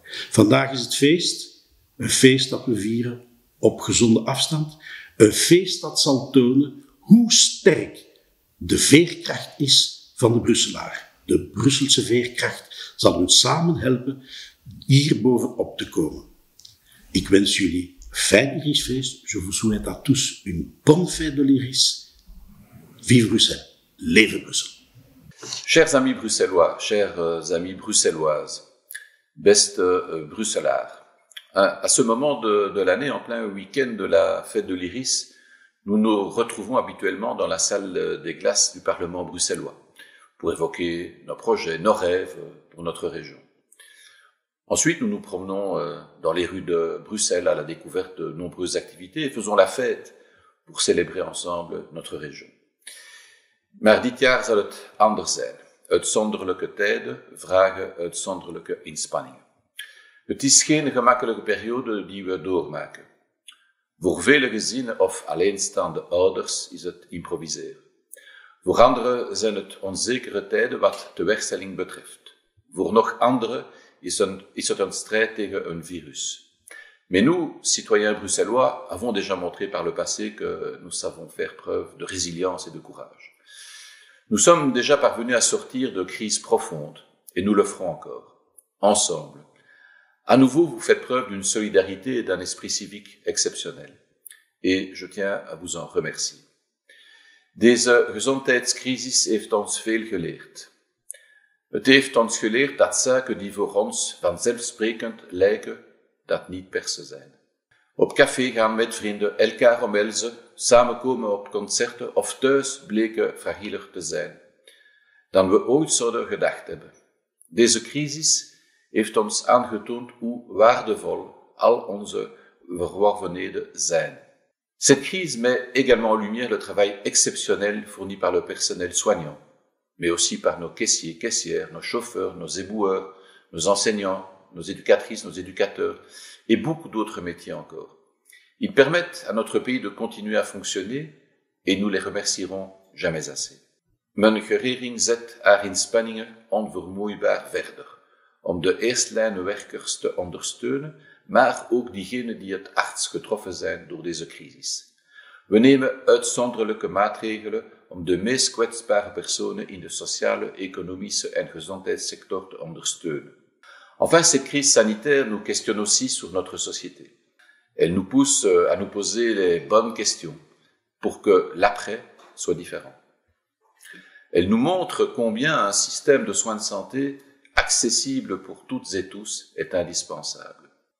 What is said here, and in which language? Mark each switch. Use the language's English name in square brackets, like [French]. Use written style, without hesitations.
[Dutch] Vandaag is het feest, een feest dat we vieren op gezonde afstand. Een feest dat zal tonen hoe sterk de veerkracht is van de Brusselaar. De Brusselse veerkracht zal ons samen helpen hier bovenop te komen. Ik wens jullie fijn Irisfeest. [French] Je vous souhaite à tous une bonne fête de l'Iris. Vive Bruxelles. [Dutch] Leve Brussel. [French] Chers amis bruxellois, chères amies bruxelloises, [Dutch] Beste Bruxellard. [French] À ce moment de l'année, en plein week-end de la fête de l'Iris, nous nous retrouvons habituellement dans la salle des glaces du Parlement bruxellois pour évoquer nos projets, nos rêves pour notre région. Ensuite, nous nous promenons dans les rues de Bruxelles à la découverte de nombreuses activités et faisons la fête pour célébrer ensemble notre région. [Dutch] Mardi tiar zalot Andersen, et sonderlijke tijd, vragen et sonderlijke inspanning. Het is geen gemakkelijke periode die we doormaken. Voor vele gezinnen of alleenstaande ouders is het improviseren. Voor anderen zijn het onzekere tijden wat de werkstelling betreft. Voor nog anderen is het een strijd tegen een virus. [French] Mais nous, citoyens bruxellois, avons déjà montré par le passé que nous savons faire preuve de résilience et de courage. Nous sommes déjà parvenus à sortir de crises profondes, et nous le ferons encore, ensemble. À nouveau, vous faites preuve d'une solidarité et d'un esprit civique exceptionnel. Et je tiens à vous en remercier. [Dutch] Deze gezondheidscrisis heeft ons veel geleerd. Het heeft ons geleerd dat zaken die voor ons vanzelfsprekend lijken, dat niet per se zijn. Op café gaan met vrienden, elkaar omhelzen, samenkomen op concerten of thuis bleken fragieler te zijn dan we ooit zouden gedacht hebben. Deze crisis heeft ons aangetoond hoe waardevol al onze verworvenheden zijn. [French] Cette crise met également en lumière le travail exceptionnel fourni par le personnel soignant, mais aussi par nos caissiers, caissières, nos chauffeurs, nos éboueurs, nos enseignants, nos éducatrices, nos éducateurs et beaucoup d'autres métiers encore. Ils permettent à notre pays de continuer à fonctionner et nous les remercierons jamais assez. [Dutch] Mijn regering zet haar inspanningen onvermoeibaar verder om de eerstlijnwerkers te ondersteunen, maar ook diegenen die het hardst getroffen zijn door deze crisis. We nemen uitzonderlijke maatregelen om de meest kwetsbare personen in de sociale, economische en gezondheidssector te ondersteunen. [French] Enfin, cette crise sanitaire nous questionne aussi sur notre société. Elle nous pousse à nous poser les bonnes questions pour que l'après soit différent. Elle nous montre combien un système de soins de santé accessible pour toutes et tous est indispensable.